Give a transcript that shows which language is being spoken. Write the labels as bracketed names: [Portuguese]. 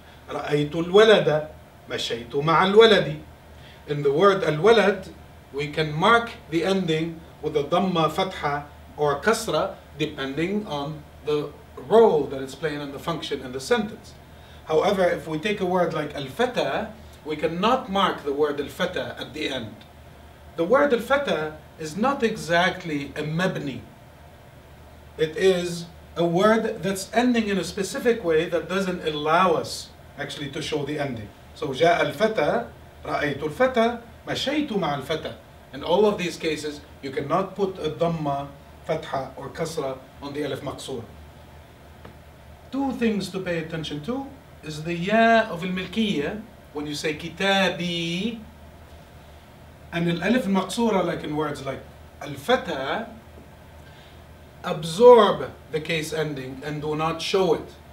[Arabic] رأيت الولد مشيت مع الولد [English] in the word الولد we can mark the ending with a dhamma fatha or kasra depending on the role that it's playing in the function in the sentence however if we take a word like الفتى we cannot mark the word الفتى at the end the word الفتى is not exactly a mabni. It is a word that's ending in a specific way that doesn't allow us actually to show the ending. [Arabic] So جاء الفتى, رأيت الفتى, مشيت مع الفتى. [English] In all of these cases, you cannot put a dhamma, fatha, or kasra on the alif maqsura. Two things to pay attention to is the ya of al-milkiyya when you say kitabi. And الألف المقصورة like in words like الفتى absorb the case ending and do not show it.